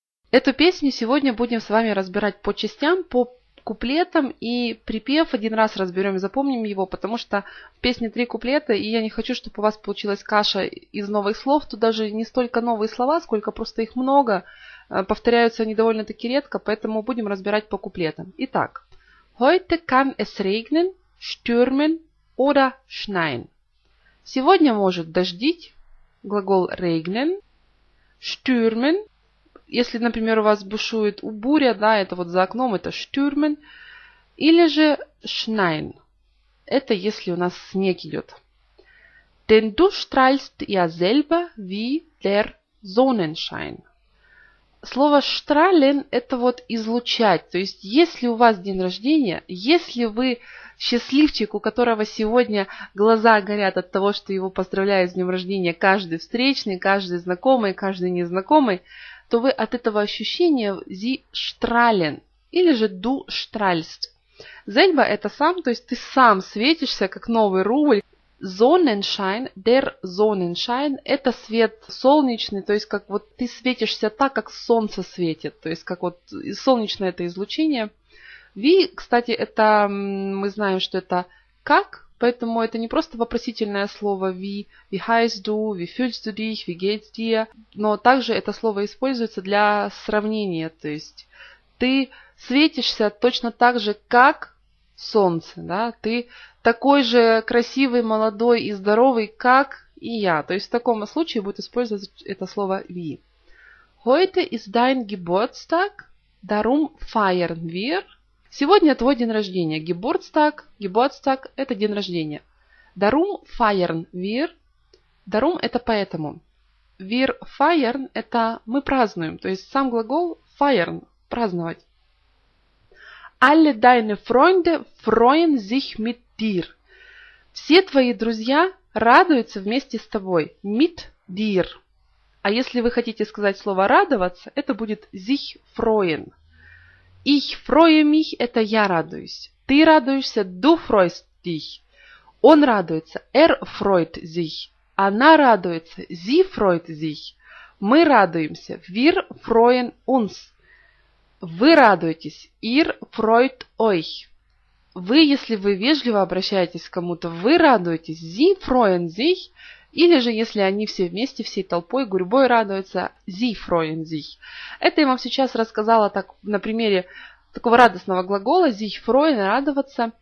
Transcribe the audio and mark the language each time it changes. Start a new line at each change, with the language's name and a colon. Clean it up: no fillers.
Russian: Эту песню сегодня будем с вами разбирать по частям, по куплетам и припев. Один раз разберем и запомним его, потому что в песне три куплета, и я не хочу, чтобы у вас получилась каша из новых слов. Тут даже не столько новые слова, сколько просто их много. Повторяются они довольно-таки редко, поэтому будем разбирать по куплетам. Итак.
German: Heute kann es regnen, stürmen oder schneien.
Russian: Сегодня может дождить. Глагол regnen.
German: Stürmen.
Russian: Если, например, у вас бушует буря, да, это вот за окном, это stürmen. Или же schneien. Это если у нас снег идет.
German: Denn du strahlst ja selber wie der Sonnenschein.
Russian: Слово strahlen – это вот излучать. То есть, если у вас день рождения, если вы счастливчик, у которого сегодня глаза горят от того, что его поздравляют с днем рождения каждый встречный, каждый знакомый, каждый незнакомый, то вы от этого ощущения
German: «зи штрален»
Russian: или же
German: «ду штральст».
Russian: «Зельба» – это сам, то есть ты сам светишься, как новый рубль. «Зоненшайн», «дер зоненшайн» – это свет солнечный, то есть как вот ты светишься так, как солнце светит, то есть как вот солнечное это излучение. «Ви», кстати, это мы знаем, что это «как», поэтому это не просто вопросительное слово wie,
German: wie heißt du, wie fühlst du dich, wie geht's dir.
Russian: Но также это слово используется для сравнения. То есть ты светишься точно так же, как солнце. Да? Ты такой же красивый, молодой и здоровый, как и я. То есть в таком случае будет использоваться это слово we.
German: Heute ist dein Geburtstag, darum feiern wir.
Russian: Сегодня твой день рождения. Geburtstag, Geburtstag – это день рождения.
German: Darum feiern wir.
Russian: Darum – это поэтому.
German: Wir feiern
Russian: – это мы празднуем. То есть сам глагол feiern – праздновать.
German: Alle deine Freunde freuen sich mit dir.
Russian: Все твои друзья радуются вместе с тобой.
German: Mit dir.
Russian: А если вы хотите сказать слово «радоваться», это будет
German: «sich freuen». «Ich freue mich»
Russian: – это «я радуюсь». «Ты радуешься» –
German: «du freust dich».
Russian: «Он радуется» –
German: «er freut sich».
Russian: «Она радуется» –
German: «sie freut sich».
Russian: «Мы радуемся» –
German: «wir freuen uns».
Russian: «Вы радуетесь» –
German: «ihr freut euch».
Russian: «Вы», если вы вежливо обращаетесь к кому-то, «вы радуетесь» –
German: «sie freuen sich».
Russian: Или же, если они все вместе, всей толпой, гурьбой радуются,
German: «Sie freuen sich».
Russian: Это я вам сейчас рассказала так, на примере такого радостного глагола
German: «Sie freuen»
Russian: – «радоваться».